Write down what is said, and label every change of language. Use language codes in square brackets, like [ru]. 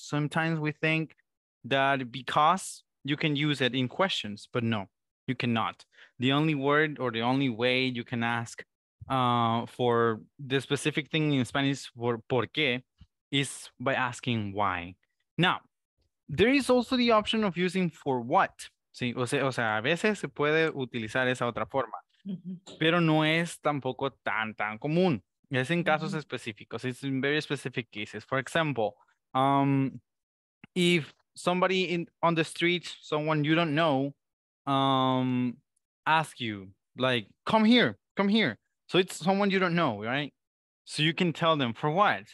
[en] Sometimes we think that because you can use it in questions, but no, you cannot. The only word or the only way you can ask for the specific thing in Spanish for por qué is by asking why. Now, there is also the option of using for what. [es] Sí, o sea, a veces se puede utilizar esa otra forma, pero no es tampoco tan común. [en] Es en casos específicos. It's in very specific cases. For example, if somebody in on the street, someone you don't know, ask you, like, come here. So it's someone you don't know, right? So you can tell them for what?